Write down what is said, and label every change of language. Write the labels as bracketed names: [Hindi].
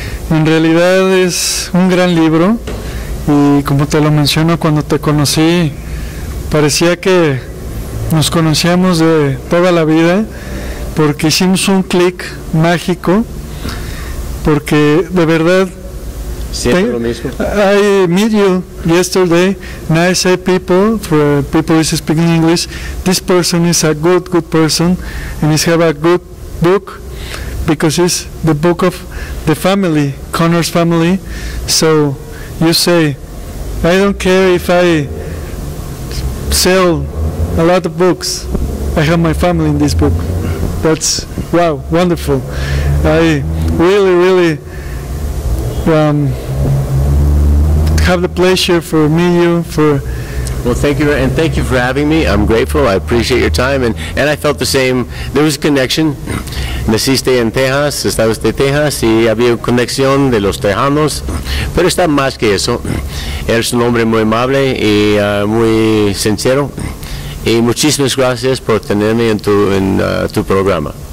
[Spanish] En realidad es un gran libro, y como te lo menciono, cuando te conocí parecía que nos conocíamos de toda la vida, porque hicimos un clic mágico, porque de verdad siempre lo mismo. [English] I meet you yesterday, nice people, for people who speak English. This person is a good person, and he's have a good book, because it's the book of the family, Connor's family. So you say, I don't care if I sell a lot of books, I have my family in this book. That's, wow, wonderful. I really, really have the pleasure for meeting you. Well, thank you, and thank you for having me. I'm grateful. I appreciate your time, and I felt the same. There was a connection. [Spanish] Naciste en Texas, estabas de Texas, y había conexión de los tejanos, pero está más que eso. Eres un hombre muy amable y muy sincero, y muchísimas gracias por tenerme en tu programa.